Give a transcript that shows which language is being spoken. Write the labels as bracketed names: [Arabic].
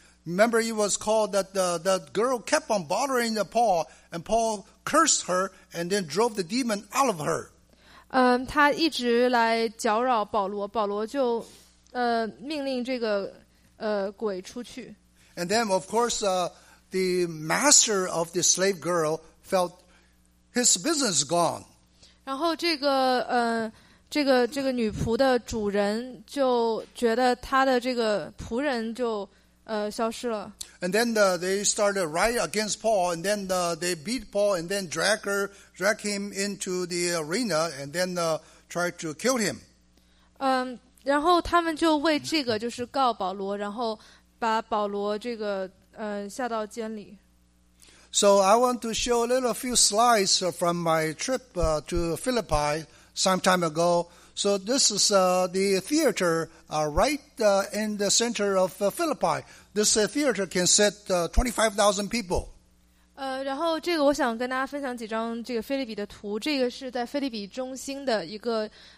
[English] Remember, it was called that the girl kept on bothering Paul, and Paul cursed her and then drove the demon out of her. [Chinese] 她一直来搅扰保罗，保罗就命令这个。鬼出去。 [English] And then, of course, the master of the slave girl felt his business gone. [Chinese] 然后这个女仆的主人就觉得她的这个仆人就消失了。 [English] And then they started a riot against Paul, and then they beat Paul, and then drag him into the arena, and then tried to kill him. [Chinese] 然后他们就为这个就是告保罗，然后把保罗这个下到监里。 [English] So I want to show a little few slides from my trip to Philippi some time ago. So this is the theater right in the center of Philippi. This theater can sit 25,000 people. [Chinese] 然后这个我想跟大家分享几张这个腓立比的图。这个是在腓立比中心的一个。